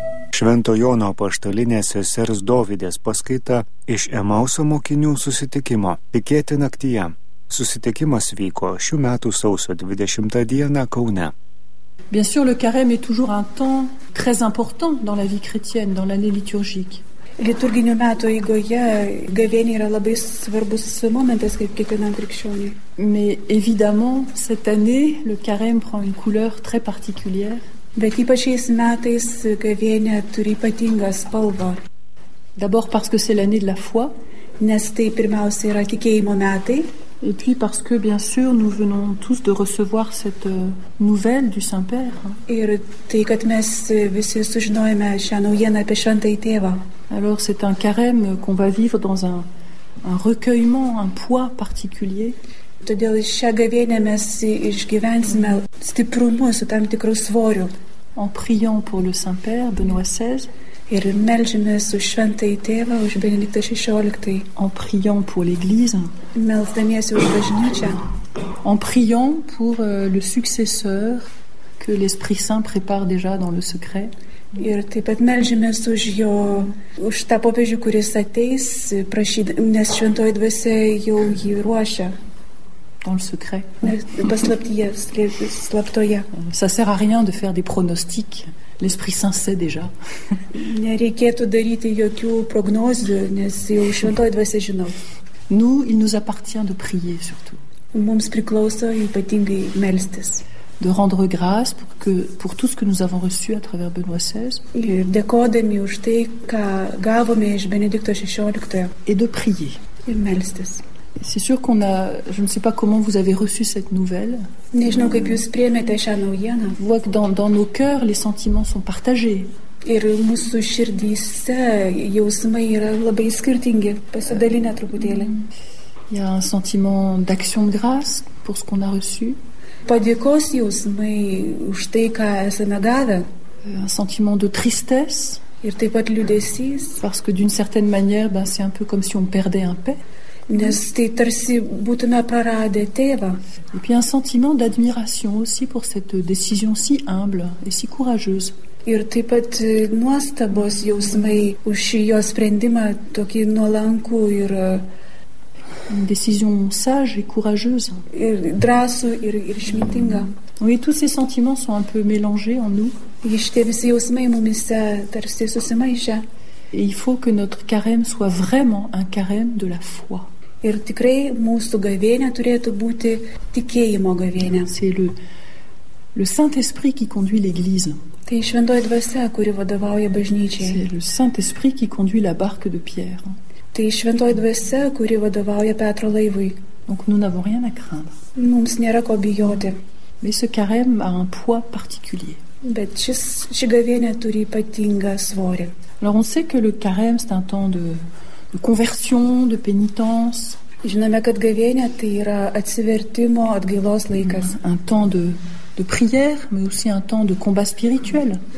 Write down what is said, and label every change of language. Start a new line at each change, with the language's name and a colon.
Lithuanian: Švento Jono apaštalinės sesers Dovydės paskaita iš Emauso mokinių susitikimo Tikėti naktyje. Susitikimas vyko šių metų sausio 20 dieną Kaune.
French: Bien sûr, le carême est toujours un temps très important dans la vie chrétienne, dans l'année liturgique.
Lithuanian: Liturginių metų eigoje gavėnė yra labai svarbus momentas kaip kiekvienam krikščioniui.
French: Mais évidemment, cette année, le carême prend une couleur très particulière.
Lithuanian: Bet ypač šiais metais gavėnė turi ypatingą spalvą.
French: D'abord parce que c'est l'année de la foi.
Lithuanian: Nes tai pirmiausia yra tikėjimo metai.
French: Et puis parce que, bien sûr, nous venons tous de recevoir cette nouvelle du Saint-Père.
Lithuanian: Ir tai, kad mes visi sužinojame šią naujieną apie Šventąjį Tėvą.
French: Alors c'est un carême qu'on va vivre dans un recueillement, un poids particulier.
Lithuanian: Todėl šią gavėnę mes išgyvensime stiprumu su tam tikru svoriu.
French: En priant pour le Saint-Père, Benoît XVI.
Lithuanian: Ir melžiamės už Šventąjį Tėvą, už Benediktą XVI.
French: En priant pour l'Église.
Lithuanian: Melsdamiesi už bažnyčią.
French: En priant pour le successeur que l'Esprit Saint prépare déjà dans le secret.
Lithuanian: Ir taip pat melžiamės už jo, už tą popiežių, kuris ateis, nes Šventoji Dvasia jau jį ruošia.
French: Dans le secret.
Lithuanian: Paslaptyje.
French: Ça sert à rien de faire des pronostics. L'Esprit Saint sait déjà.
Lithuanian: Nereikėtų daryti jokių prognozių, nes jau Šventoji Dvasia žino.
French: Nous, il nous appartient de prier surtout.
Lithuanian: Mums priklauso ypatingai melstis.
French: De rendre grâce pour tout ce que nous avons reçu à travers Benoît XVI.
Lithuanian: Ir dėkodami už tai, ką gavome iš Benedikto XVI.
French: Et de prier.
Lithuanian: Ir melstis.
French: C'est sûr qu'on a, je ne sais pas comment vous avez reçu cette nouvelle.
Lithuanian: Nežinau, kaip jūs priėmėte šią naujieną.
French: Je vois que dans nos cœurs, les sentiments sont partagés.
Lithuanian: Ir mūsų širdyse jausmai yra labai skirtingi, pasidalinę truputėlį.
French: Il y a un sentiment d'action de grâce pour ce qu'on a reçu.
Lithuanian: Padėkos jausmai už tai, ką esame gavę.
French: Un sentiment de tristesse.
Lithuanian: Ir taip pat liūdesys.
French: Parce que d'une certaine manière, ben, c'est un peu comme si on perdait un père.
Lithuanian: Nes tai tarsi būtume praradę tėvą.
French: Et puis un sentiment d'admiration aussi pour cette décision si humble et si courageuse.
Lithuanian: Ir taip pat nuostabos jausmai už jo sprendimą tokį nuolankų ir
French: une décision sage et courageuse.
Lithuanian: Ir drąsų ir išmintingą.
French: Oui, tous ces sentiments sont un peu mélangés en nous.
Lithuanian: Ir šitie visi jausmai mumise tarsi susimaišę.
French: Et il faut que notre carême soit vraiment un carême de la foi.
Lithuanian: Ir tikrai mūsų gavėnė turėtų būti tikėjimo gavėnė.
French: C'est le Saint-Esprit qui conduit l'Église.
Lithuanian: Tai Šventoji Dvasia, kuri vadovauja bažnyčiai.
French: C'est le Saint-Esprit qui conduit la barque de Pierre.
Lithuanian: Tai Šventoji Dvasia, kuri vadovauja Petro laivui.
French: Donc nous n'avons rien à craindre.
Lithuanian: Mums nėra ko bijoti.
French: Mais ce carême a un poids particulier.
Lithuanian: Bet ši gavėnė turi ypatingą svorį.
French: Alors on sait que le carême c'est un temps de conversion, de pénitence.
Lithuanian: Žinome, kad gavėnė tai yra atsivertimo, atgailos laikas.
French: Un temps de prière, mais aussi un temps de combat spirituel.